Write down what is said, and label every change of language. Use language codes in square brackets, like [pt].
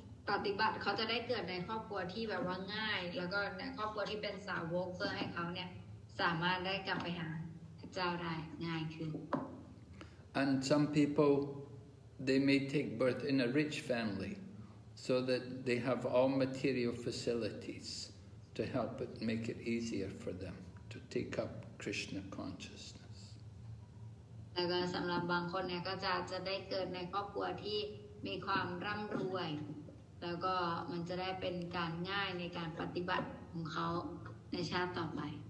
[th] ปฏิบัติเขาจะได้เกิดในครอบครัวที่แบบว่าง่ายแล้วก็ในครอบครัวที่เป็นสาวกเพื่อให้เขาเนี่ยสามารถได้กลับไปหาพระเจ้าได้ง่ายขึ้น [en] And some people they may take birth in a rich family so that they have all material facilities to help it make it easier for them to take up Krishna consciousness [th] แล้วก็สําหรับบางคนเนี่ยก็จะได้เกิดในครอบครัวที่มีความร่ํารวยแล้วก็มันจะได้เป็นการง่ายในการปฏิบัติของเขาในชาติต่อไป